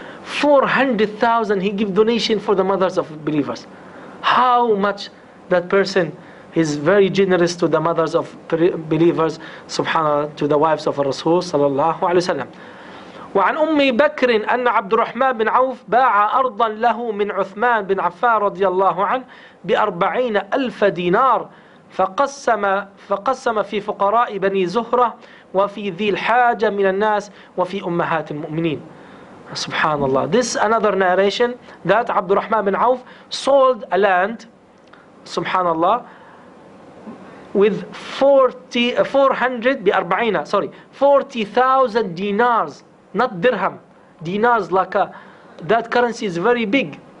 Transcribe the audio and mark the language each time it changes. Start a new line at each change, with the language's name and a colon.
English: 400,000, he give donation for the mothers of believers. How much that person is very generous to the mothers of believers, subhanAllah, to the wives of Rasul sallallahu alayhi wa sallam.
Arabic: وعن أمي بكر أن عبد الرحمن بن عوف باع أرضا له من عثمان بن عفان رضي الله عنه بأربعين ألف دينار فقسم في فقراء بني زهرة وفي ذي الحاجة من الناس وفي أمهات المؤمنين. Subhanallah.
English: This another narration that Abdurrahman bin Auf sold a land, subhanallah, with 40,000 dinars, not dirham, dinars, like that currency is very big.